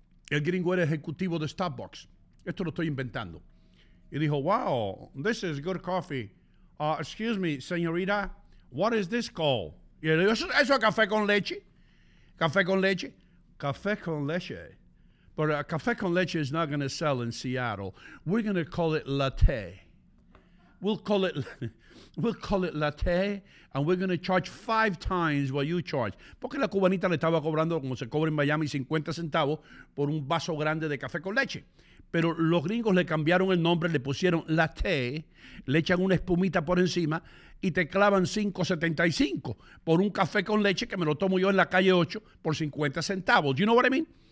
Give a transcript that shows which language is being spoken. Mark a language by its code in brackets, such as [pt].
[es] El gringo era ejecutivo de Starbucks. Esto lo estoy inventando. Y dijo, [en] wow, this is good coffee. Excuse me, señorita, what is this called? [es] Y él dijo, ¿eso es café con leche? ¿Café con leche? Café con leche. [en] But café con leche is not going to sell in Seattle. We're going to call it latte. We'll call it latte, and we're going to charge 5 times what you charge. [es] Porque la cubanita le estaba cobrando, como se cobra en Miami, 50 centavos por un vaso grande de café con leche. Pero los gringos le cambiaron el nombre, le pusieron latte, le echan una espumita por encima y te clavan 5.75 por un café con leche que me lo tomo yo en la calle 8 por 50 centavos. [en] You know what I mean?